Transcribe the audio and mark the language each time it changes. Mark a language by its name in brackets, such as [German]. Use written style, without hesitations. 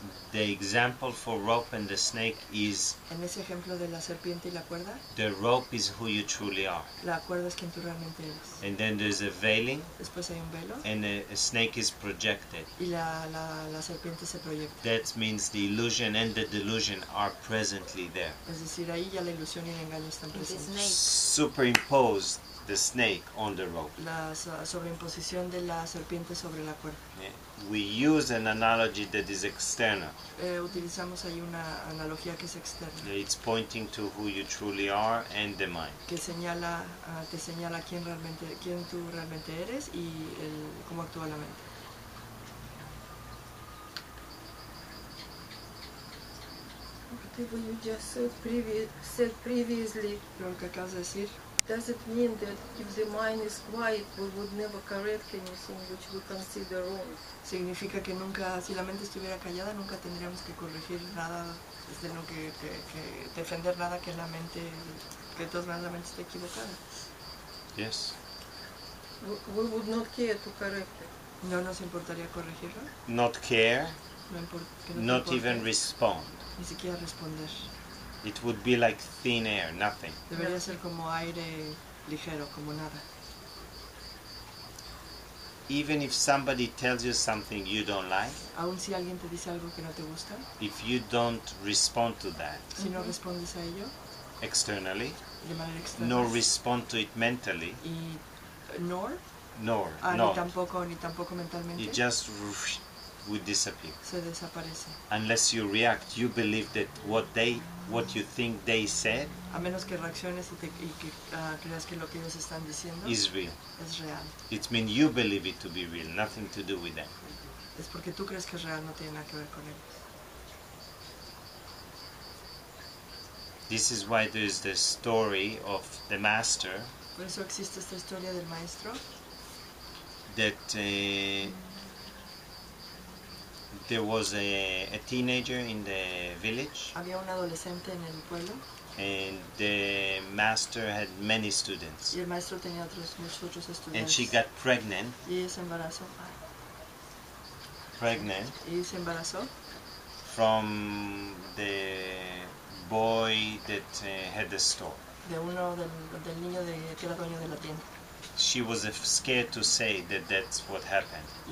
[English] The example for rope and the snake is. [Spanish] En ese ejemplo de la serpiente y la cuerda. [English] The rope is who you truly are. [Spanish] La cuerda es quien tú realmente eres. [English] And then there's a veiling. [Spanish] Después hay un velo. [English] And a snake is projected. [Spanish] Y la serpiente se proyecta. [English] That means the illusion and the delusion are presently there. [Spanish] Es decir, ahí ya la ilusión y el engaño están presentes. [English] The snake. Superimpose the snake on the rope. [Spanish] La sobreimposición de la serpiente sobre la cuerda. [English] Yeah. We use an analogy that is external. [Spanish] Utilizamos ahí una analogía que es externa. [English] It's pointing to who you truly are and the mind. [Spanish] Que señala, te señala quién tú realmente eres y cómo actúa la mente. [English] What you just said previously. [Spanish] Lo que acabas de decir. [English] Does it mean that if the mind is quiet, we would never correct anything which we consider wrong? [Spanish] Significa que nunca, si la mente estuviera callada, nunca tendríamos que corregir nada, desde lo que defender nada que la mente, que de todas maneras la mente esté equivocada. [English] Yes. We would not care to correct it. [Spanish] No nos importaría corregirlo. [English] Not care. [Spanish] No importa. [English] Not even respond. [Spanish] Ni siquiera responder. [English] It would be like thin air, nothing. [Spanish] Debería ser como aire ligero, como nada. [English] Even if somebody tells you something you don't like, [Spanish] aun si alguien te dice algo que no te gusta, [English] if you don't respond to that, [Spanish] si no respondes a ello, [English] externally, [Spanish] de manera externa, [English] nor respond to it mentally, [Spanish] y [English] not, [Spanish] ni tampoco mentalmente, [English] it just would disappear. [Spanish] Se desaparece. [English] Unless you react, you believe that what you think they said, [Spanish] a menos que reacciones y que creas que lo que ellos están diciendo [English] is real. [Spanish] Es real. [English] It means you believe it to be real, nothing to do with them. [Spanish] Es porque tú crees que es real, no tiene nada que ver con ellos. [English] This is why there is the story of the master. [Spanish] Por eso existe esta historia del maestro. [English] That There was a teenager in the village. [Spanish] Había un adolescente en el pueblo. [English] And the master had many students. [Spanish] Y el maestro tenía muchos estudiantes. [English] And she got pregnant. [Spanish] Y se embarazó. [English] Pregnant. [Spanish] Y se embarazó. [English] From the boy that had the store. [Spanish] De uno del niño que era dueño de la tienda. [English] She was scared to say that that's what happened.